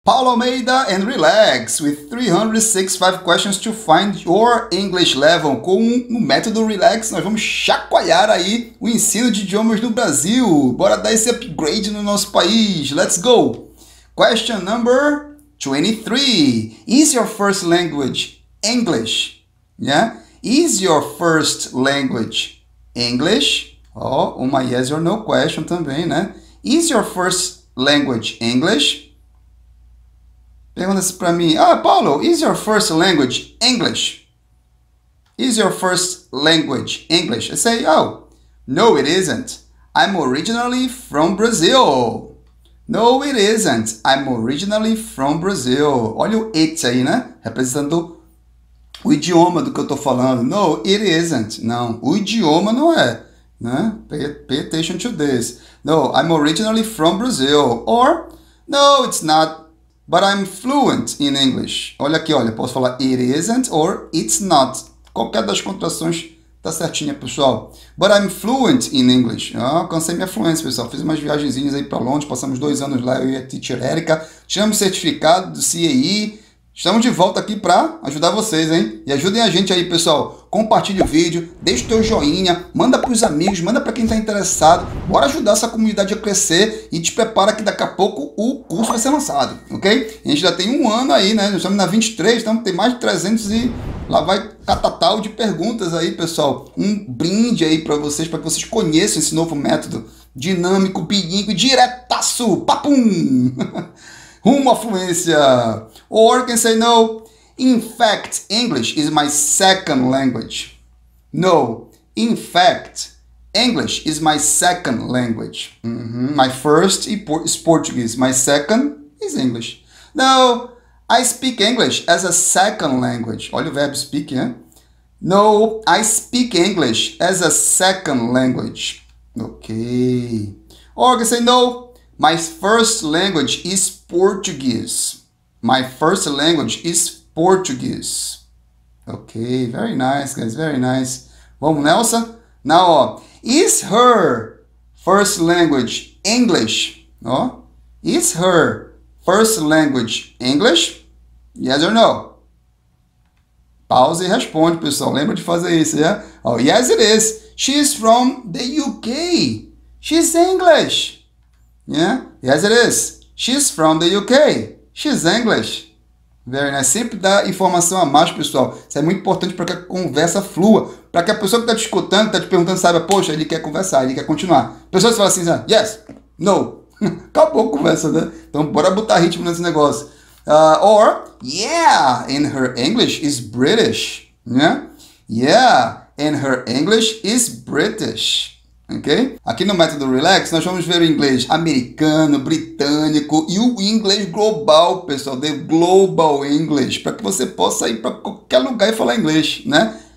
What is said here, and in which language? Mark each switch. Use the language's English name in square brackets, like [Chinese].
[English] Paulo Almeida and relax with 365 questions to find your English level. [Portuguese] Com o método relax, nós vamos chacoalhar aí o ensino de idiomas no Brasil. Bora dar esse upgrade no nosso país. [English] Let's go! Question number 23. Is your first language English? Yeah? Is your first language English? [Portuguese] Oh, uma [English] yes or no question [Portuguese] também, né? [English] Is your first language English? [Portuguese] Pergunta-se para mim, [English] ah, Paulo, is your first language English? Is your first language English? I say, oh, no, it isn't. I'm originally from Brazil. No, it isn't. I'm originally from Brazil. [Portuguese] Olha o it aí, né? Representando o idioma do que eu tô falando. [English] No, it isn't. [Portuguese] Não, o idioma não é, né? [English] Pay attention to this. No, I'm originally from Brazil. Or, no, it's not. But I'm fluent in English. [Portuguese] Olha aqui, olha. Posso falar [English] it isn't or it's not. [Portuguese] Qualquer das contrações tá certinha, pessoal. [English] But I'm fluent in English. [Portuguese] Ah, alcancei minha fluência, pessoal. Fiz umas viagenzinhas aí para Londres. Passamos 2 anos lá, eu e a teacher Erica. Tiramos certificado do CAE. Estamos de volta aqui para ajudar vocês, hein? E ajudem a gente aí, pessoal. Compartilhe o vídeo, deixe o teu joinha, manda para os amigos, manda para quem está interessado. Bora ajudar essa comunidade a crescer e te prepara que daqui a pouco o curso vai ser lançado, ok? A gente já tem 1 ano aí, né? Nós estamos na 23, então tem mais de 300 e lá vai catatal de perguntas aí, pessoal. Um brinde aí para vocês, para que vocês conheçam esse novo método dinâmico, bilíngue, diretaço, papum! Rumo à fluência. [English] Or can say no. In fact, English is my second language. No. In fact, English is my second language. Mm-hmm. My first is Portuguese. My second is English. No. I speak English as a second language. [Portuguese] Olha o verbo speak, hein? [English] No. I speak English as a second language. Okay. Or can say no. My first language is Portuguese. My first language is Portuguese. Okay, very nice, guys, very nice. [Portuguese] Vamos, Nelson? [English] Now, is her first language English? Oh, is her first language English? Yes or no? [Portuguese] Pause e responde, pessoal. Lembra de fazer isso, [English] yeah? Oh, yes, it is. She's from the UK. She's English. Yeah? Yes, it is. She's from the UK. She's English. Very nice. [Portuguese] Sempre dá informação a mais, pessoal. Isso é muito importante para que a conversa flua. Para que a pessoa que está te escutando, está te perguntando, saiba, poxa, ele quer conversar, ele quer continuar. Pessoas falam assim, yes, no. Acabou a conversa, né? Então, bora botar ritmo nesse negócio. [English] Or, yeah, and her English is British. Yeah? Yeah, and her English is British. Ok? [Portuguese] Aqui no método Relax, nós vamos ver o inglês americano, britânico e o inglês global, pessoal, [English] the global English, [Portuguese] para que você possa ir para qualquer lugar e falar inglês, né?